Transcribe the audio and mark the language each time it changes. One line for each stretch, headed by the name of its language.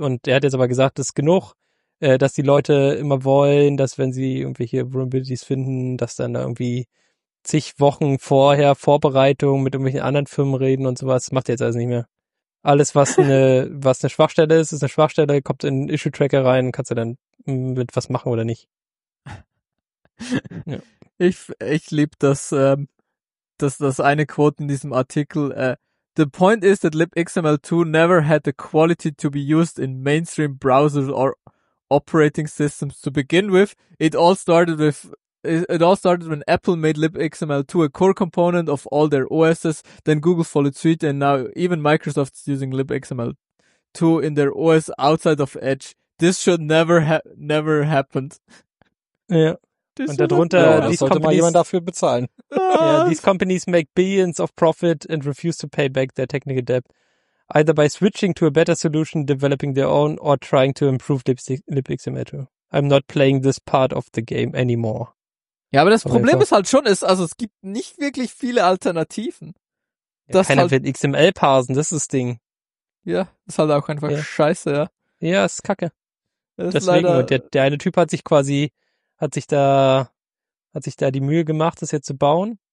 German: Und der hat jetzt aber gesagt, das ist genug, dass die Leute immer wollen, dass wenn sie irgendwelche Vulnerabilities finden, dass dann da irgendwie zig Wochen vorher Vorbereitung mit irgendwelchen anderen Firmen reden und sowas. Macht der jetzt alles nicht mehr. Alles, was eine Schwachstelle ist, ist eine Schwachstelle, kommt in Issue Tracker rein, kannst du dann mit was machen oder nicht. Ja. Ich liebe das eine Quote in diesem Artikel.
English: The point is that libxml2 never had the quality to be used in mainstream browsers or operating systems to begin with. It all started when Apple made libxml2 a core component of all their OSs, then Google followed suit, and now even Microsoft's using libxml2 in their OS outside of Edge. This should never happened. Yeah.
German: Das und darunter, ja, das sollte mal jemand dafür bezahlen.
English: Yeah, these companies make billions of profit and refuse to pay back their technical debt, either by switching to a better solution, developing their own, or trying to improve LibXML2. I'm not playing this part of the game anymore.
German: Ja, aber das und Problem ist halt schon, ist, also es gibt nicht wirklich viele Alternativen. Ja, keiner halt wird XML parsen, das ist das Ding. Ja, ist halt auch einfach scheiße, ja. Ja, ist kacke. Ist deswegen, und der eine Typ hat sich da die Mühe gemacht, das jetzt zu bauen.